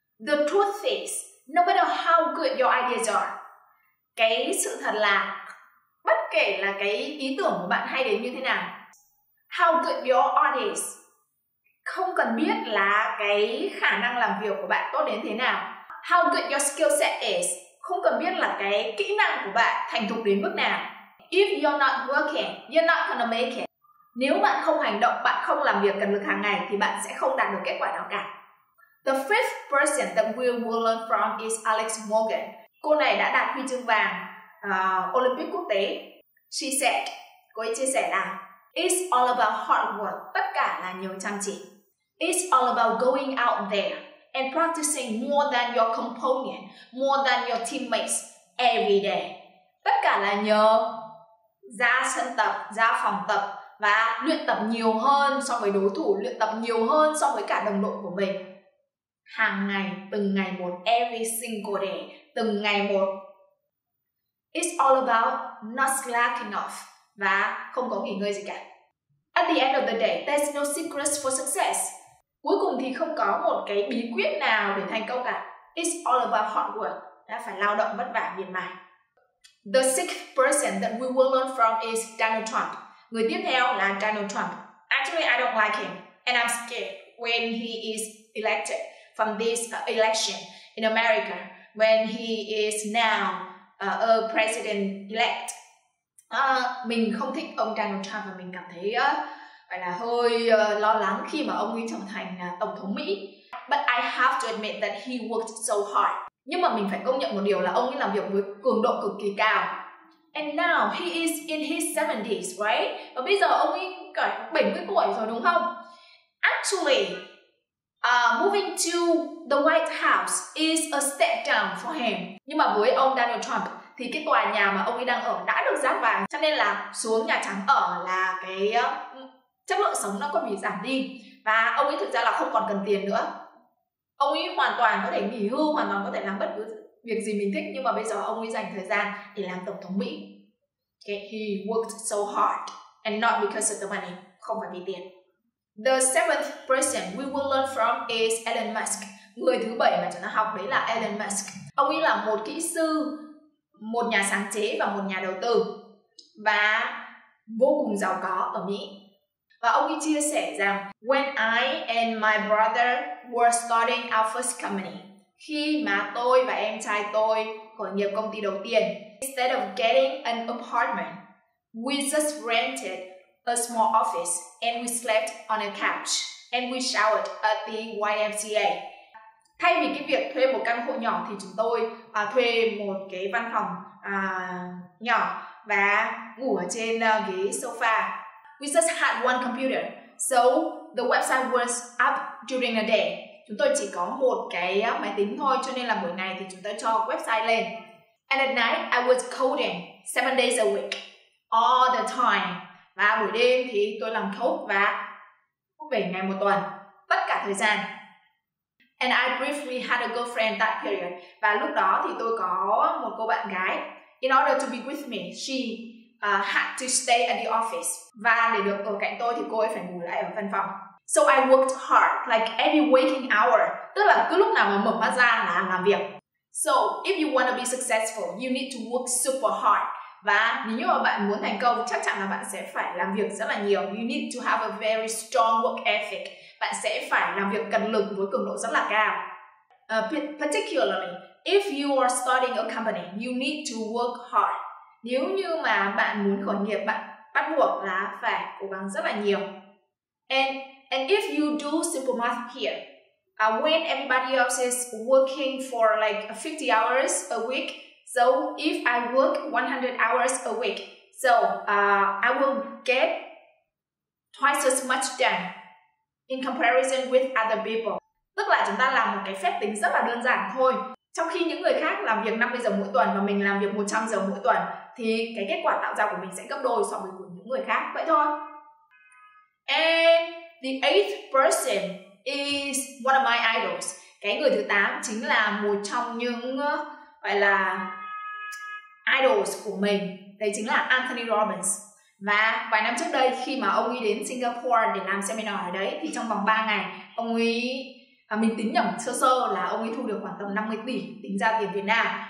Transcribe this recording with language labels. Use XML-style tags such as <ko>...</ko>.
<en>The truth is, no matter how good your ideas are,</en> <vi>cái sự thật là bất kể là cái ý tưởng của bạn hay đến như thế nào,</vi> <en>how good your audit.</en> <vi>Không cần biết là cái khả năng làm việc của bạn tốt đến thế nào.</vi> <en>How good your skill set is.</en> <vi>Không cần biết là cái kỹ năng của bạn thành thục đến mức nào.</vi> <en>If you're not working, you're not gonna make it.</en> <vi>Nếu bạn không hành động, bạn không làm việc cần lực hàng ngày thì bạn sẽ không đạt được kết quả nào cả.</vi> <en>The fifth person that we will learn from is Alex Morgan.</en> <vi>Cô này đã đạt huy chương vàng Olympic quốc tế.</vi> <en>She said,</en> <vi>cô ấy chia sẻ là</vi> <en>it's all about hard work,</en> <vi>tất cả là nhiều chăm chỉ.</vi> <en>It's all about going out there and practicing more than your component, more than your teammates every day.</en> <vi>Tất cả là nhờ ra sân tập, ra phòng tập và luyện tập nhiều hơn so với đối thủ, luyện tập nhiều hơn so với cả đồng đội của mình. Hàng ngày, từng ngày một,</vi> <en>every single day,</en> <vi>từng ngày một.</vi> <en>It's all about not slacking off</en> <vi>và không có nghỉ ngơi gì cả.</vi> <en>At the end of the day, there's no secrets for success.</en> <vi>Cuối cùng thì không có một cái bí quyết nào để thành công cả.</vi> <en>It's all about hard work,</en> <vi>đã phải lao động vất vả miệt mài.</vi> <en>The sixth person that we will learn from is Donald Trump.</en> <vi>Người tiếp theo là Donald Trump.</vi> <en>Actually, I don't like him and I'm scared when he is elected from this election in America, when he is now a president-elect.</en> <vi>Mình không thích ông Donald Trump và mình cảm thấy gọi là hơi lo lắng khi mà ông ấy trở thành tổng thống Mỹ.</vi> <en>But I have to admit that he worked so hard.</en> <vi>Nhưng mà mình phải công nhận một điều là ông ấy làm việc với cường độ cực kỳ cao.</vi> <en>And now he is in his 70s, right?</en> <vi>Và bây giờ ông ấy cả 70 tuổi rồi đúng không?</vi> <en>Actually, moving to the White House is a step down for him.</en> <vi>Nhưng mà với ông Donald Trump thì cái tòa nhà mà ông ấy đang ở đã được giáp vàng, cho nên là xuống Nhà Trắng ở là cái chất lượng sống nó có bị giảm đi. Và ông ấy thực ra là không còn cần tiền nữa. Ông ấy hoàn toàn có thể nghỉ hưu, hoàn toàn có thể làm bất cứ việc gì mình thích. Nhưng mà bây giờ ông ấy dành thời gian để làm Tổng thống Mỹ.</vi> <en>Okay, he worked so hard and not because of the money.</en> <vi>Không phải vì tiền.</vi> <en>The seventh person we will learn from is Elon Musk.</en> <vi>Người thứ bảy mà chúng ta học đấy là Elon Musk. Ông ấy là một kỹ sư, một nhà sáng chế và một nhà đầu tư và vô cùng giàu có ở Mỹ. Và ông ấy chia sẻ rằng</vi> <en>when I and my brother were starting our first company,</en> <vi>khi mà tôi và em trai tôi khởi nghiệp công ty đầu tiên,</vi> <en>instead of getting an apartment, we just rented a small office and we slept on a couch and we showered at the YMCA.</en> <vi>Thay vì cái việc thuê một căn hộ nhỏ thì chúng tôi thuê một cái văn phòng nhỏ và ngủ ở trên ghế sofa.</vi> <en>We just had one computer, so the website was up during the day.</en> <vi>Chúng tôi chỉ có một cái máy tính thôi, cho nên là buổi ngày thì chúng tôi cho website lên.</vi> <en>And at night, I was coding 7 days a week, all the time.</en> <vi>Và buổi đêm thì tôi làm code và 7 ngày một tuần, tất cả thời gian.</vi> <en>And I briefly had a girlfriend that period.</en> <vi>Và lúc đó thì tôi có một cô bạn gái.</vi> <en>In order to be with me, she had to stay at the office.</en> <vi>Và để được ở cạnh tôi thì cô ấy phải ngủ lại ở văn phòng.</vi> <en>So I worked hard, like every waking hour.</en> <vi>Tức là cứ lúc nào mà mở mắt ra là làm việc.</vi> <en>So if you wanna be successful, you need to work super hard.</en> <vi>Và nếu mà bạn muốn thành công, chắc chắn là bạn sẽ phải làm việc rất là nhiều.</vi> <en>You need to have a very strong work ethic.</en> <vi>Bạn sẽ phải làm việc cần lực với cường độ rất là cao.</vi> <en>Particularly, if you are starting a company, you need to work hard.</en> <vi>Nếu như mà bạn muốn khởi nghiệp, bạn bắt buộc là phải cố gắng rất là nhiều.</vi> <en>And if you do simple math here, when everybody else is working for like 50 hours a week, so if I work 100 hours a week, so I will get twice as much done in comparison with other people.</en> <vi>Tức là chúng ta làm một cái phép tính rất là đơn giản thôi. Trong khi những người khác làm việc 50 giờ mỗi tuần và mình làm việc 100 giờ mỗi tuần thì cái kết quả tạo ra của mình sẽ gấp đôi so với những người khác. Vậy thôi.</vi> <en>And the eighth person is one of my idols.</en> <vi>Cái người thứ 8 chính là một trong những gọi là idols của mình. Đấy chính là Anthony Robbins. Và vài năm trước đây khi mà ông ấy đến Singapore để làm seminar ở đấy thì trong vòng 3 ngày mình tính nhầm sơ sơ là ông ấy thu được khoảng tầm 50 tỷ tính ra tiền Việt Nam.</vi>